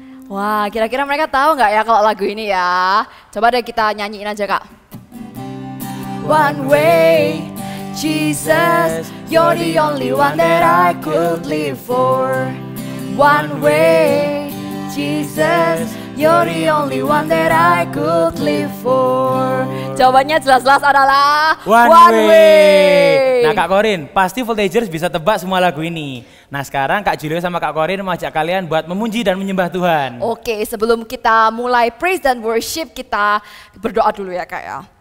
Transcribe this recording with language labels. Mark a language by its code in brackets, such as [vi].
[id] Wah, kira-kira mereka tahu nggak ya kalau lagu ini ya? Coba deh kita nyanyiin aja, Kak. [en] One way, Jesus, you're the only one that I could live for. One way, Jesus, you're the only one that I could live for. [id] Jawabannya jelas-jelas adalah [en] One way. [id] Nah, Kak Corin, pasti Voltagers bisa tebak semua lagu ini. Nah sekarang Kak Julio sama Kak Corin mau ajak kalian buat memuji dan menyembah Tuhan. Oke, sebelum kita mulai praise dan worship, kita berdoa dulu ya kak ya.